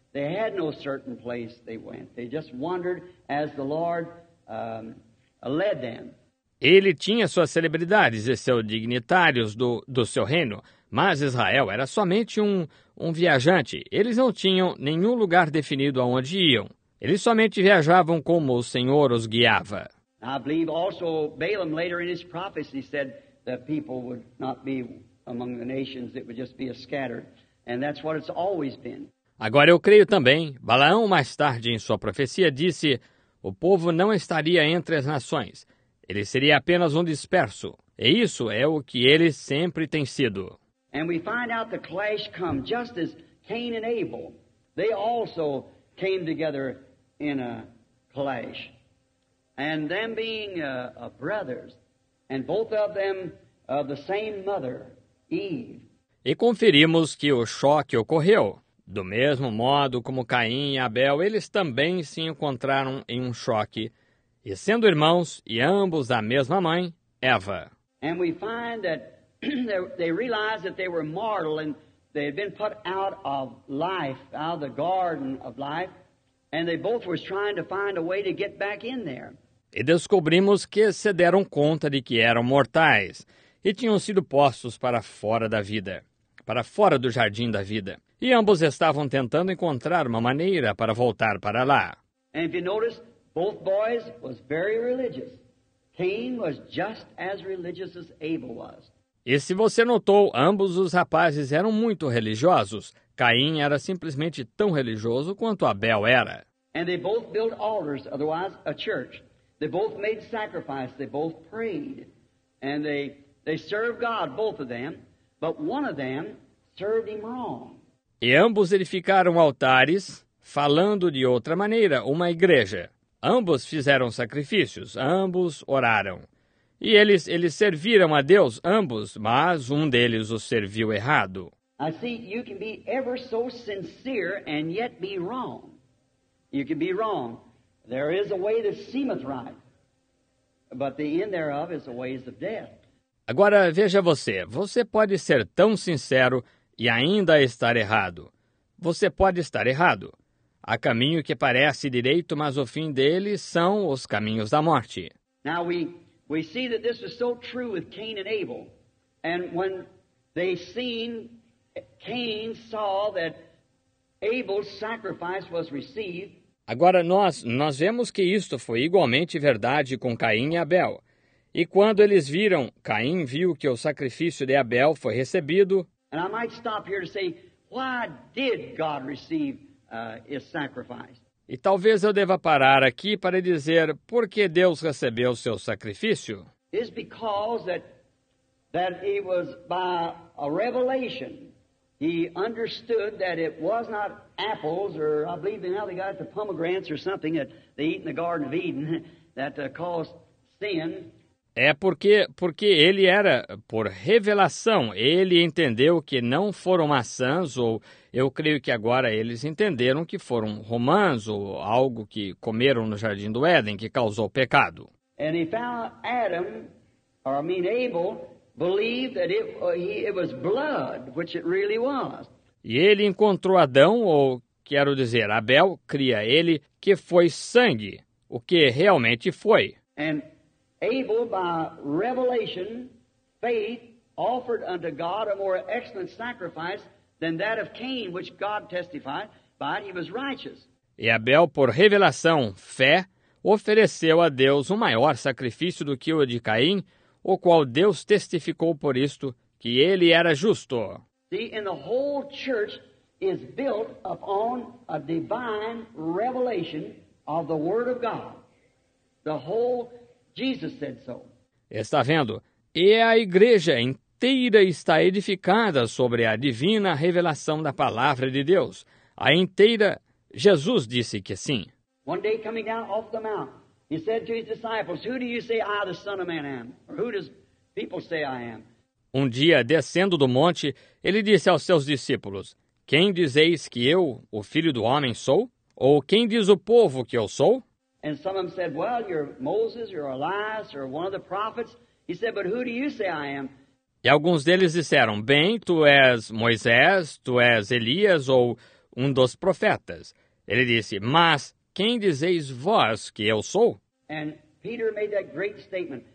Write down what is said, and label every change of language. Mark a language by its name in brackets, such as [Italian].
[English] They had no certain place they went. They just wandered as the Lord led them. [Portuguese] Ele tinha suas celebridades e seus dignitários do seu reino, mas Israel era somente um viajante. Eles não tinham nenhum lugar definido aonde iam. Eles somente viajavam como o Senhor os guiava. [English] I believe also Balaam later in his prophecy said that people would not be among the nations, it would just be a scattered. And that's what it's always been. [Portuguese] Agora eu creio também, Balaão mais tarde em sua profecia disse, o povo não estaria entre as nações. Ele seria apenas um disperso. E isso é o que ele sempre tem sido. [English] And we find out the clash come just as Cain and Abel. They also came together in a clash. And them being brothers, and both of them of the same mother, Eve. [Portuguese] E conferimos que o choque ocorreu. Do mesmo modo como Caim e Abel, eles também se encontraram em um choque. E sendo irmãos, e ambos da mesma mãe, Eva. [English] And we find that they realized that they were mortal and they had been put out of life, out of the garden of life. And they both were trying to find a way to get back in there. [Portuguese] E descobrimos que se deram conta de que eram mortais e tinham sido postos para fora da vida, para fora do jardim da vida. E ambos estavam tentando encontrar uma maneira para voltar para lá. [English] And if you notice, both boys was very religious. Cain was just as religious as Abel was. [Portuguese] E se você notou, ambos os rapazes eram muito religiosos. Caim era simplesmente tão religioso quanto Abel era. [English] And they both built altars, otherwise a church. They both made sacrifice, they both prayed. And they served God, both of them, but one of them served him wrong. [Portuguese] E ambos edificaram altares, falando de outra maneira, uma igreja. Ambos fizeram sacrifícios, ambos oraram. E eles serviram a Deus, ambos, mas um deles os serviu errado. [English] I see you can be ever so sincere and yet be wrong. You can be wrong. There is a way that seemeth right, but the end thereof is the ways of death. [Portuguese] Agora veja você. Você pode ser tão sincero e ainda estar errado. Você pode estar errado. Há caminho que parece direito, mas o fim dele são os caminhos da morte. [English] Now we see that this is so true with Cain and Abel, and when they seen Cain saw that Abel's sacrifice was received. [Portuguese] Agora nós vemos que isto foi igualmente verdade com Caim e Abel. E quando eles viram, Caim viu que o sacrifício de Abel foi recebido. [English] And I might stop here to say, why did God receive his sacrifice? [Portuguese] E talvez eu deva parar aqui para dizer por que Deus recebeu o seu sacrifício. [English] It's because that it was by a revelation. He understood that it was not apples, or I believe now they got the pomegranates or something that they eat in the Garden of Eden that caused sin. [Portuguese] É porque ele era, por revelação, ele entendeu que não foram maçãs, ou eu creio que agora eles entenderam que foram romãs, ou algo que comeram no Jardim do Éden, que causou pecado. [English] And he found Adam, or I mean Abel, believed that it was blood, which it really was. [Portuguese] E ele encontrou Adão, ou quero dizer, Abel, cria ele, que foi sangue, o que realmente foi. [English] And Abel, by revelation, faith, offered unto God a more excellent sacrifice than that of Cain, which God testified, by it he was righteous. [Portuguese] E Abel, por revelação, fé, ofereceu a Deus um maior sacrifício do que o de Caim, o qual Deus testificou por isto que ele era justo. [English] See, and the whole church is built upon a divine revelation of the Word of God. The whole Jesus said so. [Portuguese] Está vendo? E a igreja inteira está edificada sobre a divina revelação da palavra de Deus. A inteira, Jesus disse que sim. [English] One day coming down off the mountain. He said to his disciples, who do you say I, the Son of Man, am? Or who does people say I am? [Portuguese] Um dia, descendo do monte, ele disse aos seus discípulos, quem dizeis que eu, o Filho do Homem, sou? Ou quem diz o povo que eu sou? [English] And some of them said, well, you're Moses, you're Elias, or one of the prophets. He said, but who do you say I am? [Portuguese] E alguns deles disseram, bem, tu és Moisés, tu és Elias, ou um dos profetas. Ele disse, mas quem dizeis vós que eu sou? [English] And Peter made that great statement.